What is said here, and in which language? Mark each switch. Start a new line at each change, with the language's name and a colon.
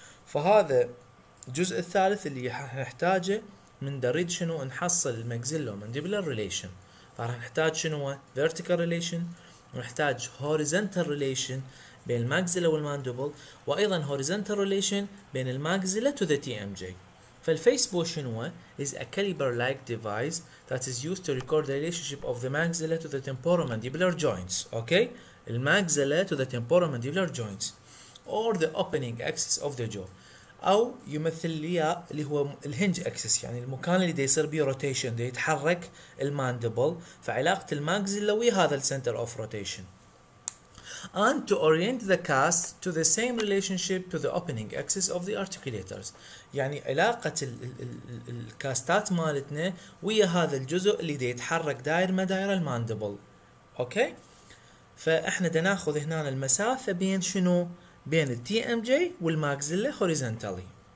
Arabic: فهذا الجزء الثالث اللي نحتاجه من دريد شنو نحصل الماكسيلو مانديبولار ريليشن، فراح نحتاج شنو فيرتيكال ريليشن ونحتاج هوريزونتال ريليشن بين الماكسيلا والماندبل وايضا هوريزونتال ريليشن بين الماكسيلا تو ذا تي ام جي. فالفيسبو شنو
English: is a caliper like device that is used to record the relationship of the maxilla to the temporomandibular joints. Okay, the maxilla to the temporomandibular joints or the opening axis of the jaw
Arabic: أو يمثل لي اللي هو الهنج اكسس يعني المكان اللي دي يصير بيه روتيشن دي يتحرك الماندبل، فعلاقة الماكسيلا ويا هذا السنتر اوف روتيشن.
English: And to orient the cast to the same relationship to the opening axis of the articulators.
Arabic: يعني علاقة الكاستات مالتنا ويا هذا الجزء اللي دا يتحرك داير ما داير الماندبل. اوكي؟ فاحنا دا ناخذ هنا المسافة بين شنو؟ بين الـ TMJ والماكسيلا horizontally.